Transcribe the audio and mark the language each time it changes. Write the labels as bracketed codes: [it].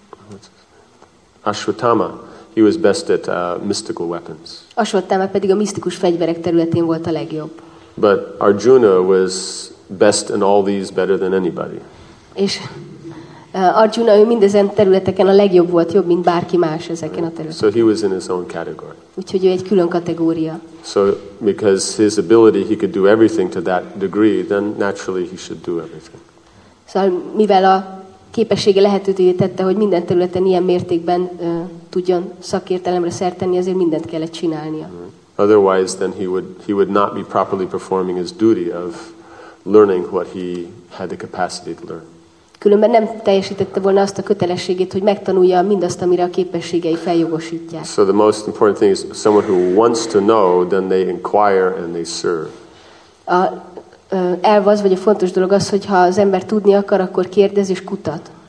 [en] And Ashwatthama, he was best at mystical weapons. [hu] Ashwatthama pedig a misztikus fegyverek területén volt a legjobb. [en] But Arjuna was best in all these better than anybody. [hu] És Arjuna ő mindezen területeken a legjobb volt, jobb mint bárki más ezeken a területeken. [en] So he was in his own category. [hu] Úgyhogy ő egy külön kategória. [en] So because his ability he could do everything to that degree, then naturally he should do everything. [hu] Szóval mivel a képessége lehetővé tette, hogy minden területen ilyen mértékben tudjon szakértelemre szert tenni, azért mindent kellett csinálnia. [en] Otherwise then he would not be properly performing his duty of learning what he had the capacity to learn. [hu] Különben nem teljesítette volna azt a kötelességét, hogy megtanulja mindazt, amire a képességei feljogosítják. [en] So the most important thing is someone who wants to know, then they inquire and they serve. [hu] A elv az, vagy a fontos dolog az, hogy ha az ember tudni akar, akkor kérdez és kutat.